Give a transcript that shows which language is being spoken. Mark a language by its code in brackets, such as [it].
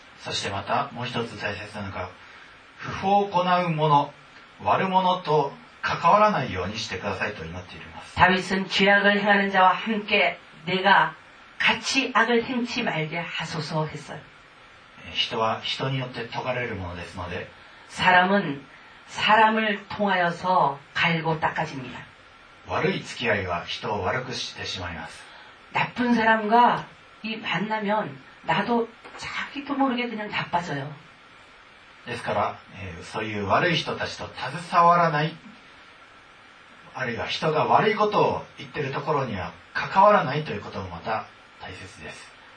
[ja] そしてまたもう一つ大切なのが不法を行う者悪者と関わらないようにしてくださいと祈っています [ko] ダビスは죄악을행하는자와함께내가같이악을행치말게하소서했어요 [ja] 人は人によって解かれるものですので [ko] 사람은사람을통하여서갈고닦아집니다 [ja] 悪い付き合いは人を悪くしてしまいます [ko] 나쁜사람과이만나면나도자기도모르게그냥나빠져요 [ja] ですから、そういう悪い人たちと携わらないあるいは人が悪いことを言ってるところには関わらないということもまた大切です